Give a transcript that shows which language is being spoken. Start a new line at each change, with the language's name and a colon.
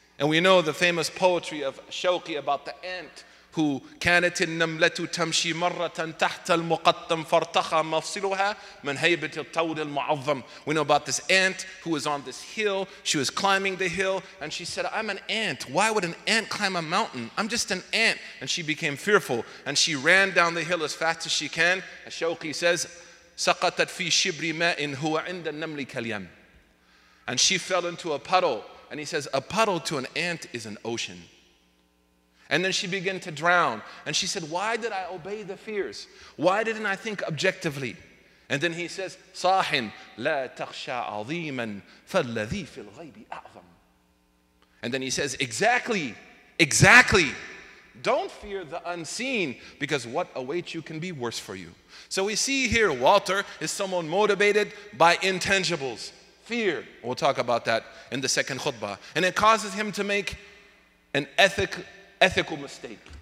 English: And we know the famous poetry of Shawqi about the ant who
Arabic: كانت النملة تمشي مرة تحت المقطم فارتخى مفصلها من هيبة الطود المعظم.
English: We know about this ant who was on this hill. She was climbing the hill and she said, I'm an ant. Why would an ant climb a mountain? I'm just an ant. And she became fearful and she ran down the hill as fast as she can. As Shawqi says,
Arabic: سقطت في شبر ماء هو عند النمل كاليم.
English: And she fell into a puddle. And he says, a puddle to an ant is an ocean. And then she began to drown. And she said, why did I obey the fears? Why didn't I think objectively? And then he says,
Arabic: صاحٍ لا تخشى عظيماً فالذي في الغيب أعظم.
English: And then he says, exactly, exactly. Don't fear the unseen, because what awaits you can be worse for you. So we see here, Walter is someone motivated by intangibles, fear. We'll talk about that in the second khutbah. And it causes him to make an ethical mistake.